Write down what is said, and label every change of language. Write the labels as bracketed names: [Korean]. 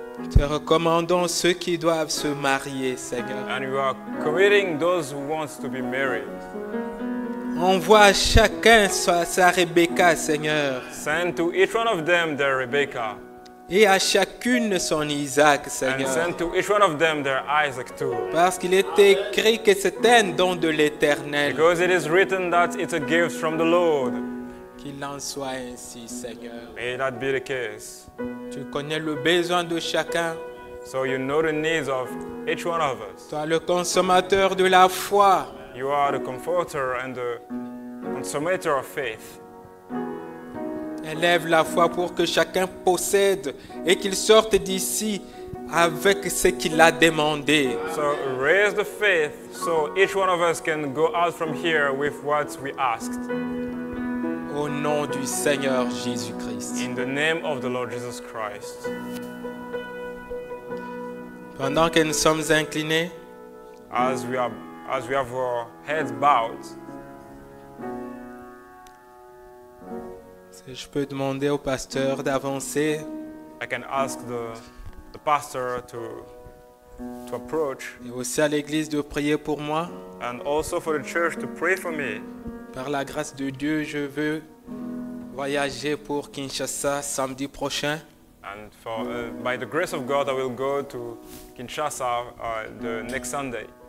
[French] Te recommandons ceux qui doivent se marier, Seigneur. [English] And you are committing those who want to be married. [French] Envoie chacun sa Rebecca, Seigneur. [English] Send to each one of them their Rebecca. [French] Et à chacune son Isaac, Seigneur. [English] And send to each one of them their Isaac too. [French] Parce qu'il est écrit que c'est un don de l'Éternel. [English] Because it is written that it's a gift from the Lord. [French] Qu'il en soit ainsi, Seigneur. [English] May that be the case. [French] Tu connais le besoin de chacun. [English] So you know the needs of each one of us. [French] Toi, le consommateur de la foi. [English] You are the comforter and the consummator of faith. [French] Élève la foi pour que chacun possède et qu'il sorte d'ici avec ce qu'il a demandé. [English] So raise the faith so each one of us can go out from here with what we asked. [French] Au nom du Seigneur Jésus-Christ. [English] In the name of the Lord Jesus Christ. [French] Pendant que nous sommes inclinés, [English] as we have our heads bowed, [French] Est-ce que je peux demander au pasteur d'avancer? [English] I can ask the pastor to approach. [French] Et aussi à l'église de prier pour moi. [English] And also for the church to pray for me. [French] Par la grâce de Dieu, je veux voyager pour Kinshasa samedi prochain. [English] And for by the grace of God, I will go to Kinshasa the next Sunday.